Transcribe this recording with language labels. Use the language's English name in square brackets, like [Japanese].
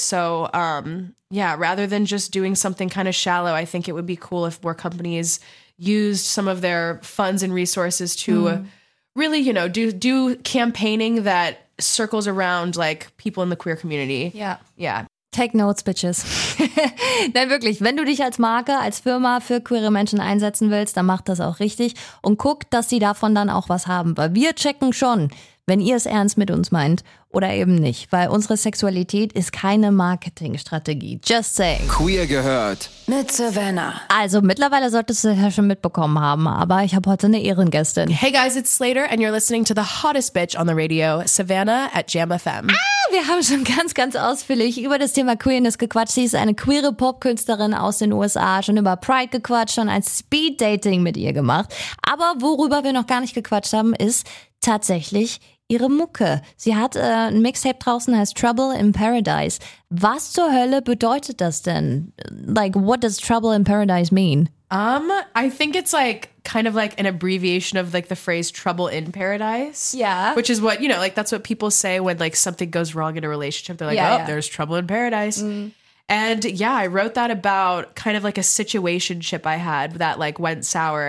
[English] So, rather than just doing something kind of shallow, I think it would be cool if more companies used some of their funds and resources to really, you know, do campaigning that circles around, like, people in the queer community. Yeah. Take notes, bitches. [German] Nein, wirklich. Wenn du dich als Marke, als Firma für queere Menschen einsetzen willst, dann mach das auch richtig. Und guck, dass sie davon dann auch was haben. Weil wir checken schon, wenn ihr es ernst mit uns meint oder eben nicht. Weil unsere Sexualität ist keine Marketingstrategie. [English] Just saying. [German] Queer gehört. Mit Savannah. Also, mittlerweile solltest du es ja schon mitbekommen haben, aber ich habe heute eine Ehrengästin. [English] Hey guys, it's Slater and you're listening to the hottest bitch on the radio, Savannah at Jam FM. [German] Ah, wir haben schon ganz, ganz ausführlich über das Thema Queerness gequatscht. Sie ist eine queere Popkünstlerin aus den USA, schon über Pride gequatscht, schon ein Speed-Dating mit ihr gemacht. Aber worüber wir noch gar nicht gequatscht haben, ist tatsächlich ihre Mucke. Sie hat ein Mixtape draußen, heißt Trouble in Paradise. Was zur Hölle bedeutet das denn? [English] Like, what does Trouble in Paradise mean? I think it's like kind of like an abbreviation of like the phrase Trouble in Paradise. Yeah. Which is what, you know, like, that's what people say when like something goes wrong in a relationship. They're like, there's trouble in paradise. Mm. And yeah, I wrote that about kind of like a situationship I had that like went sour.